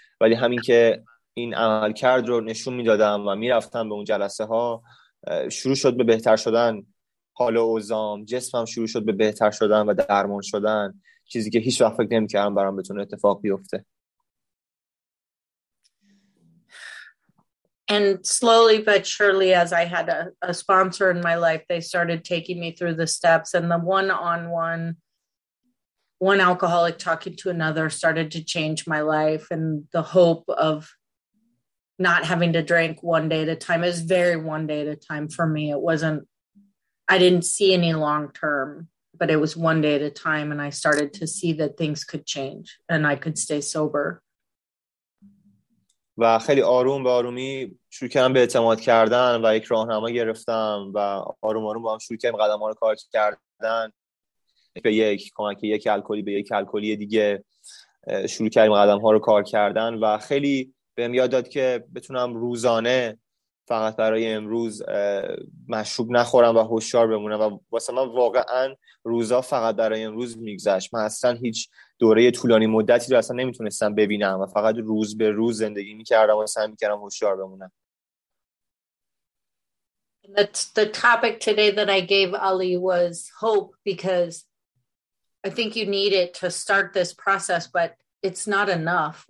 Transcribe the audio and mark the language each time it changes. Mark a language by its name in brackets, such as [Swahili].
[Persian] ولی همین که این عمل کرد رو نشون می دادم و می رفتم به اون جلسه ها، شروع شد به بهتر شدن حال اوزام، جسمم شروع شد به بهتر شدن و درمان شدن، چیزی که هیچ وقت فکر نمی کردم برام بتونه اتفاق بیفته. [English] And slowly but surely, as I had a sponsor in my life, they started taking me through the steps, and the one-on-one, one alcoholic talking to another started to change my life. And the hope of not having to drink one day at a time is very one day at a time for me. I didn't see any long term, but it was one day at a time. And I started to see that things could change and I could stay sober. [Persian] و خیلی آروم به آرومی شروع کردم به اعتماد کردن و یک راهنما گرفتم و آروم آروم با هم شروع کردیم قدم ها رو کار کردن، به یک کمک، یک الکلی به یک الکلی دیگه شروع کردیم قدم ها رو کار کردن، و خیلی بهم یاد داد که بتونم روزانه فقط برای امروز مشروب نخورم و هوشیار بمونم. و واسه من واقعا روزا فقط برای امروز میگذشت. من اصلا هیچ دوره طولانی مدتی رو اصلا نمیتونستم ببینم و فقط روز به روز زندگی میکردم و سعی میکردم هوشیار بمونم. [English] The topic today that I gave Ali was hope, because I think you need it to start this process, but it's not enough.